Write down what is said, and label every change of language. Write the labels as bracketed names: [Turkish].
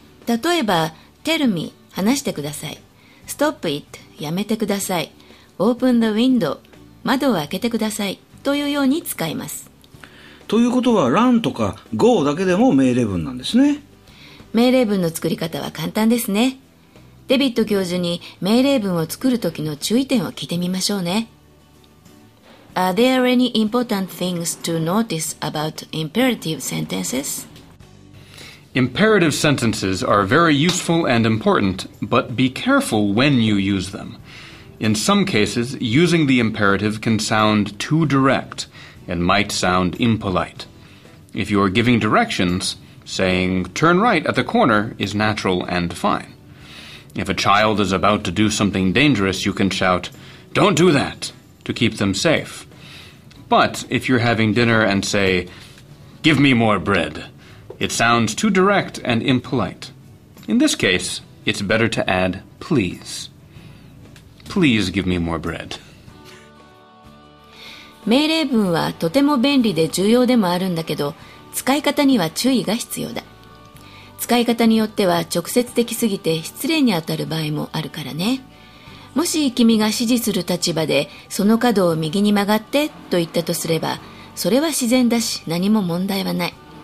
[Japanese] 例えば [English] Tell me [Japanese] 話してください、 [English] Stop it [Japanese] やめてください、 [English] Open the window [Japanese] 窓を開けてくださいというように使います。ということは Run とか Go だけでも命令文なんですね。命令文の作り方は簡単ですね。デビッド教授に命令文を作る時の注意点を聞いてみましょうね。 [English] Are there any important things to notice about imperative sentences? Imperative sentences are very useful and important, but be careful when you use them. In some cases, using the imperative can sound too direct and might sound impolite. If you are giving directions, saying turn right at the corner is natural and fine. If a child is about to do something dangerous, you can shout, Don't do that, to keep them safe. But if you're having dinner and say, Give me more bread, it sounds too direct and impolite. In this case, it's better to add, Please. Please give me more bread. [Japanese] 命令文はとても便利で重要でもあるんだけど、使い方には注意が必要だ。使い方によっては直接的すぎて失礼にあたる場合もあるからね。もし君が指示する立場でその角を右に曲がってと言ったとすれば、それは自然だし何も問題はない。